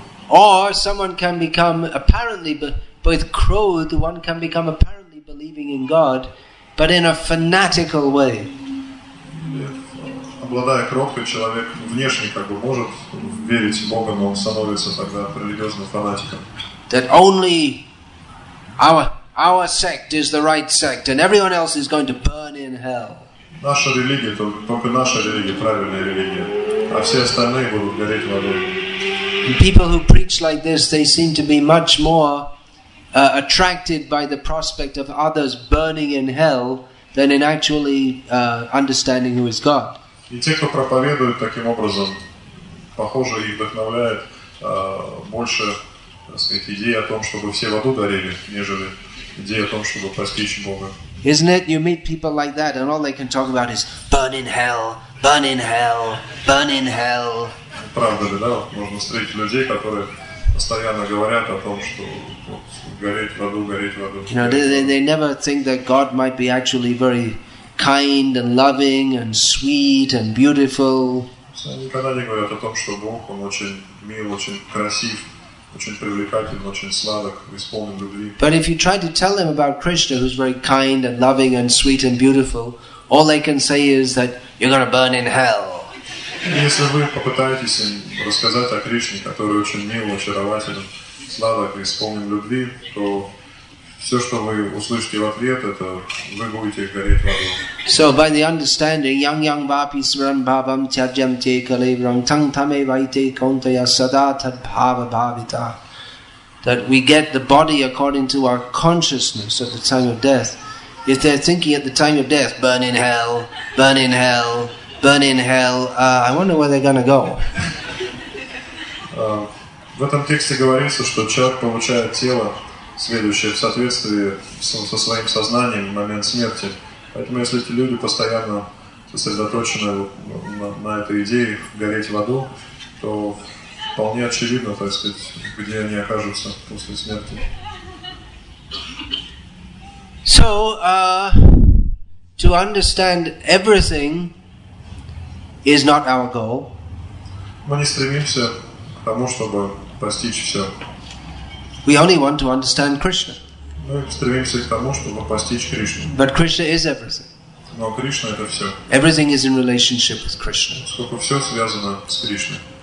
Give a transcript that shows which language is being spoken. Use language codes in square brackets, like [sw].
[en] Or someone can become apparently, but with krodha, one can become apparently believing in God, but in a fanatical way. [ru] Обладая кротко, человек внешне как бы может верить в Бога, но он становится тогда религиозным фанатиком. [en] That only our sect is the right sect, and everyone else is going to burn in hell. [ru] Наша религия, только наша религия, правильная религия. А все остальные будут гореть в аду. [en] And people who preach like this, they seem to be much more attracted by the prospect of others burning in hell than in actually understanding who is God. [ru] И те, кто проповедует таким образом, похоже, их вдохновляет больше, так сказать, идея о том, чтобы все в аду горели, нежели идея о том, чтобы постичь Бога. [en] Isn't it? You meet people like that, and all they can talk about is burn in hell, burn in hell, burn in hell. [ru] Правда ли, да? Можно встретить людей, которые постоянно говорят о том, что гореть в аду, гореть в аду. [en] You know, they never think that God might be actually very kind and loving and sweet and beautiful. [ru] Они никогда не говорят о том, что Бог, он очень мил, очень красив. Очень привлекательный, очень сладок, исполнен любви. [en] But if you try to tell them about Krishna, who's very kind and loving and sweet and beautiful, all they can say is that you're going to burn in hell. [ru] Если вы попытаетесь им рассказать о Кришне, который очень мил, очарователен, сладок, исполнен любви, то все, что вы услышите в ответ, это вы будете гореть в аду. [en] So by the understanding, [sa] yang vapi smaran bhavam tyajyam te kalevram tang tame vaite kauntaya sada tad bhava bhavita, [en] that we get the body according to our consciousness at the time of death. If they're thinking at the time of death, burn in hell, burn in hell. I wonder where they're gonna go. [ru] В этом тексте говорится, что человек получает тело, следующее в соответствии со своим сознанием в момент смерти. Поэтому если эти люди постоянно сосредоточены на этой идее гореть в аду, то вполне очевидно, так сказать, где они окажутся после смерти. [en] So, to understand everything is not our goal. [ru] Мы не стремимся к тому, чтобы постичь все. [en] We only want to understand Krishna. [ru] Мы стремимся к тому, чтобы постичь Кришну. [en] But Krishna is everything. [ru] Но Кришна — это все. [en] Everything is in relationship with Krishna. [ru] Сколько все связано с Кришной.